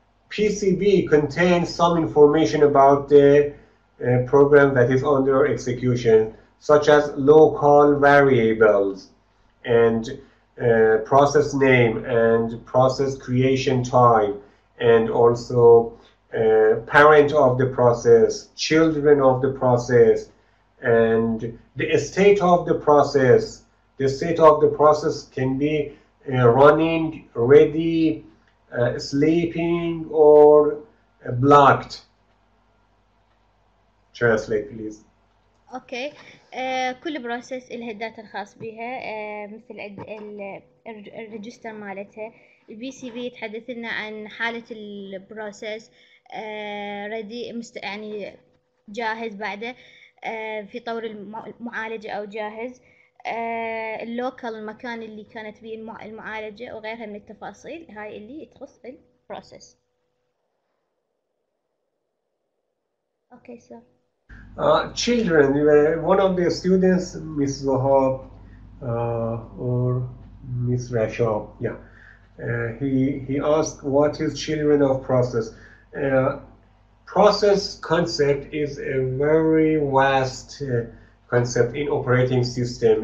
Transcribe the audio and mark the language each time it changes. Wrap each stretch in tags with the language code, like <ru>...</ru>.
<en>PCB contains some information about the program that is under execution, such as local variables and process name and process creation time, and also parent of the process, children of the process, and the state of the process. The state of the process can be running, ready, sleeping, or blocked. Translate, please. Okay.</en> <ar>كل process لها data الخاص بها، مثل الريجستر مالتها. PCB يتحدث لنا عن حالة البروسيس، ready، يعني جاهز بعده في طور المعالجة أو جاهز. اللوكال، المكان اللي كانت فيه المعالجة وغيرها من التفاصيل هاي اللي تخص البروسيس.</ar> <en>Okay sir. Children, one of the students, Ms. Zohab or Ms. Rashab, yeah, he asked what is children of process. Process concept is a very vast concept in operating system.</en>